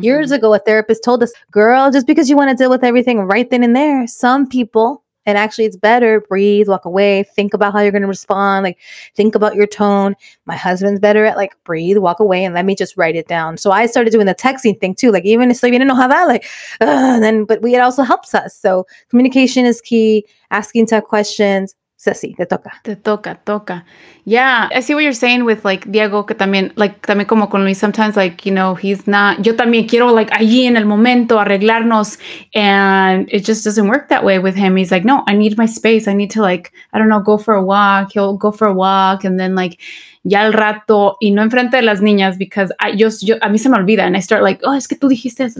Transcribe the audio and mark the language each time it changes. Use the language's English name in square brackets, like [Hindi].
[English] years ago, a therapist told us, girl, just because you want to deal with everything right then and there, some people, and actually it's better, breathe, walk away, think about how you're going to respond, like think about your tone. My husband's better at like breathe, walk away, and let me just write it down. So I started doing the texting thing too, like even if you didn't know how that, like, it also helps us. So communication is key, asking tough questions. [Spanish] Ceci, te toca. [English] Yeah, I see what you're saying with like Diego, [Spanish] que también, [English] like, [Spanish] también como con [English] Luis, sometimes, like, you know, he's not, [Spanish] yo también quiero, [English] like, [Spanish] allí en el momento arreglarnos. [English] And it just doesn't work that way with him. He's like, no, I need my space. I need to, like, I don't know, go for a walk. He'll go for a walk. And then, like, [Spanish] ya al rato, y no enfrente de las niñas, [English] because [Spanish] a mí se me olvida. [English] And I start, like, oh, [Spanish] es que tú dijiste eso.